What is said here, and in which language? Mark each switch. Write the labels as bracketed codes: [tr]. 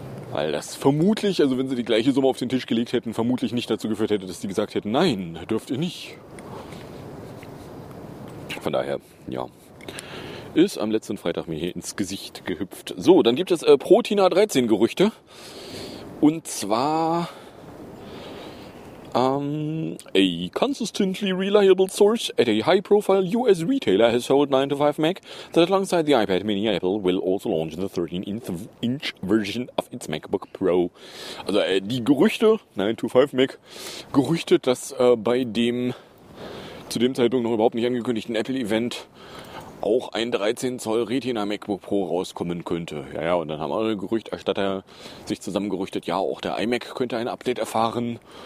[de] Weil das vermutlich, also wenn sie die gleiche Summe auf den Tisch gelegt hätten, vermutlich nicht dazu geführt hätte, dass die gesagt hätten, nein, dürft ihr nicht. Von daher, ja. Ist am letzten Freitag mir hier ins Gesicht gehüpft. So, dann gibt es Protina 13 Gerüchte. Und zwar [en] a consistently reliable source at a high-profile US retailer has told 9to5 Mac that alongside the iPad Mini, Apple will also launch the 13-inch version of its MacBook Pro. [de] Also die Gerüchte, 9to5 Mac, Gerüchte, dass bei dem zu dem Zeitpunkt noch überhaupt nicht angekündigten Apple-Event auch ein 13 Zoll Retina MacBook Pro rauskommen könnte. Ja, ja, und dann haben andere Gerüchterstatter sich zusammengerüchtet, ja, auch der iMac könnte ein Update erfahren.